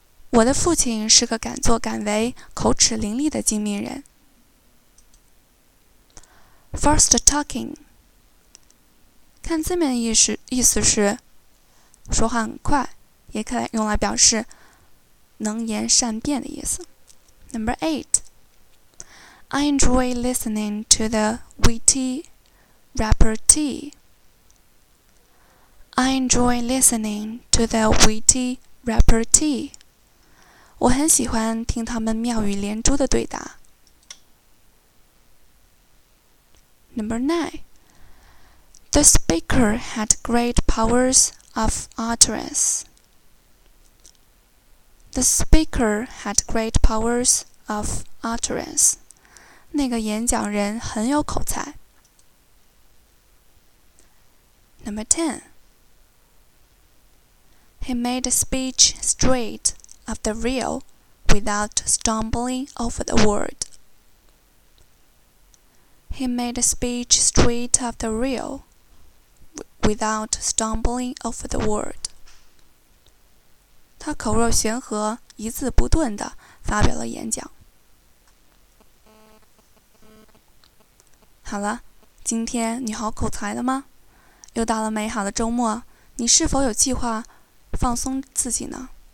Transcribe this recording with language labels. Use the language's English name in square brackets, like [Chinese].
[Chinese] 我的父亲是个敢作敢为、口齿伶俐的精明人。 [English] Fast-talking. [Chinese] 看字面意思是说话很快，也可以用来表示能言善辩的意思。 [English] Number eight, I enjoy listening to the witty repartee. I enjoy listening to the witty repartee. [Chinese] 我很喜欢听他们妙语连珠的对答。 [English] Number nine. The speaker had great powers of utterance. The speaker had great powers of utterance. [Chinese] 那个演讲人很有口才。 [English] Number 10. He made a speech straight of the real without stumbling over the word. He made a speech straight of the real without stumbling over the word. [Chinese] 他口若悬河，一字不顿地发表了演讲。好了，今天你好口才了吗？又到了美好的周末，你是否有计划放松自己呢？